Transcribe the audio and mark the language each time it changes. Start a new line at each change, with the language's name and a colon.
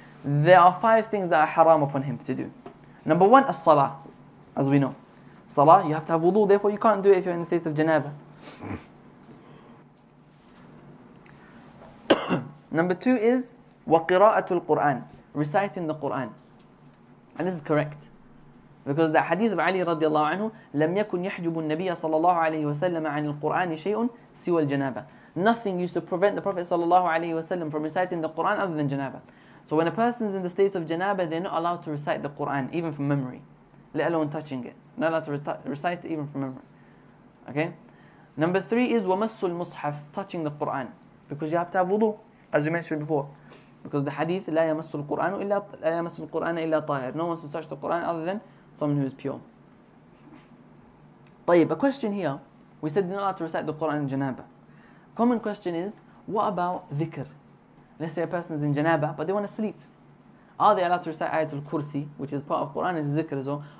English: There are five things that are haram upon him to do. Number one, as-salah, as we know. Salah, you have to have wudu, therefore you can't do it if you're in the state of janaba. Number two is
Arabic: وَقِرَاءَةُ الْقُرْآنِ,
English: reciting the Qur'an. And this is correct. Because the hadith of Ali
Arabic: رضي الله عنه لَمْ يَكُنْ يَحْجُبُ النَّبِيَ صَلَى اللَّهُ عَلَيْهِ وَسَلَّمَ عَنِ الْقُرْآنِ شَيْءٌ سِوَى الْجَنَابَةِ.
English: Nothing used to prevent the Prophet
Arabic: صلى الله عليه وسلم
English: from reciting the Qur'an other than janaba. So when a person's in the state of janaba, they're not allowed to recite the Qur'an, even from memory. Let alone touching it. Not allowed to recite it even from memory. Okay? Number three is
Arabic: وَمَسُّ الْمُصْحَفِ,
English: touching the Qur'an. Because you have to have wudu, as we mentioned before. Because the hadith,
Arabic: لا يمس القرآن إلا لا يمس القرآن إلا طاهر.
English: No one should touch the Quran other than someone who is pure. طيب, a question here. We said not allowed to recite the Quran in janaba. Common question is, what about dhikr? Let's say a person is in janaba, but they want to sleep. Are they allowed to recite ayatul kursi, which is part of Quran, is dhikr as well?